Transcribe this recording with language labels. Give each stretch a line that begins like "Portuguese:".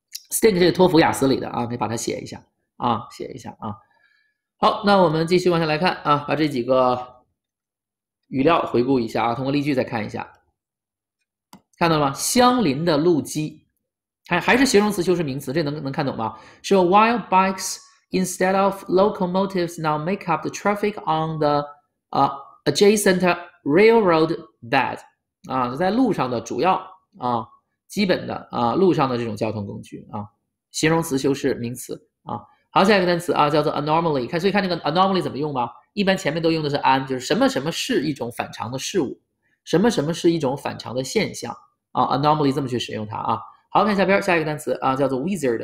Chinese: stink 这个托福雅思里的啊，可以把它写一下啊，写一下啊。好，那我们继续往下来看啊，把这几个语料回顾一下啊，通过例句再看一下，看到了吗？相邻的路基，还是形容词修饰名词，这能看懂吗？
English: 说 while bikes instead of locomotives now make up the traffic on the adjacent railroad bed
Chinese: 啊，在路上的主要啊。基本的啊，路上的这种交通工具啊，形容词修饰名词啊。好，下一个单词啊，叫做 anomaly。看，所以看这个 anomaly 怎么用吧。一般前面都用的是 an，就是什么什么是一种反常的事物，什么什么是一种反常的现象啊。 anomaly 这么去使用它啊。好，看下边下一个单词啊，叫做 wizard。